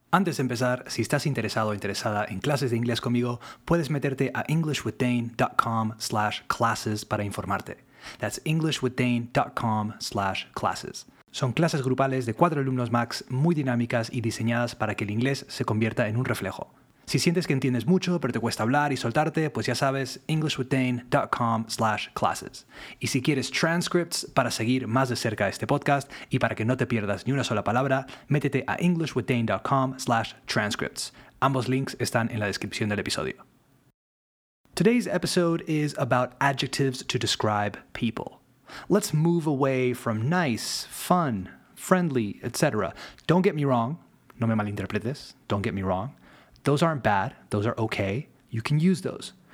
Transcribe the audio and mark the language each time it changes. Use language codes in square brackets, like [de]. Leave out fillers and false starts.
[es] Antes de empezar, si estás interesado o interesada en clases de inglés conmigo, puedes meterte a englishwithdane.com/classes para informarte. [en] That's englishwithdane.com/classes. [es] Son clases grupales de 4 alumnos max, muy dinámicas y diseñadas para que el inglés se convierta en un reflejo. Si sientes que entiendes mucho, pero te cuesta hablar y soltarte, pues ya sabes, englishwithdane.com/classes. Y si quieres transcripts para seguir más de cerca este podcast y para que no te pierdas ni una sola palabra, métete a englishwithdane.com/transcripts. Ambos links están en la descripción del episodio. [en] Today's episode is about adjectives to describe people. Let's move away from nice, fun, friendly, etc. Don't get me wrong. [es] No me malinterpretes. [en] Don't get me wrong. Those aren't bad. Those are okay. You can use those.